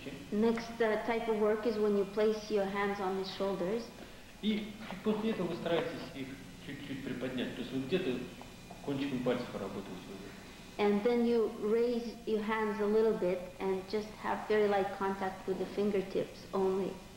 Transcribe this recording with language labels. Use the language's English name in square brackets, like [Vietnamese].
[English] Next type of work is when you place your hands on his shoulders. [Russian] И после этого вы стараетесь их чуть-чуть приподнять. То есть вы где-то кончиком пальцев работаете. [English] And then you raise your hands a little bit and just have very light contact with the fingertips only.